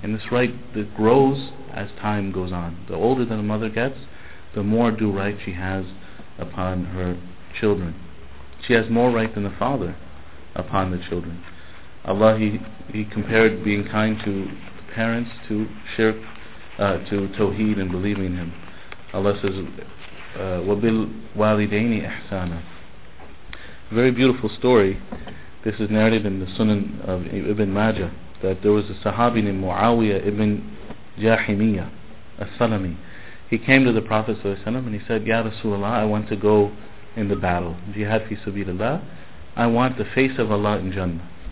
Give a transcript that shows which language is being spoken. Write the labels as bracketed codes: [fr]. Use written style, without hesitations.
[en] And this right that grows as time goes on. The older that a mother gets, the more due right she has upon her children. She has more right than the father upon the children. Allah, he compared being kind to parents to shirk, to tawheed and believing in Him. Allah says, [ar] وَبِلْ وَالِدَيْنِ إِحْسَانًا. [en] Very beautiful story. This is narrated in the Sunan of Ibn Majah, that there was a Sahabi named Muawiyah ibn Jahimiyah al-Salami. He came to the Prophet ﷺ and he said, Ya Rasulullah, I want to go in the battle. Jihad fi sabilillah. I want the face of Allah in Jannah.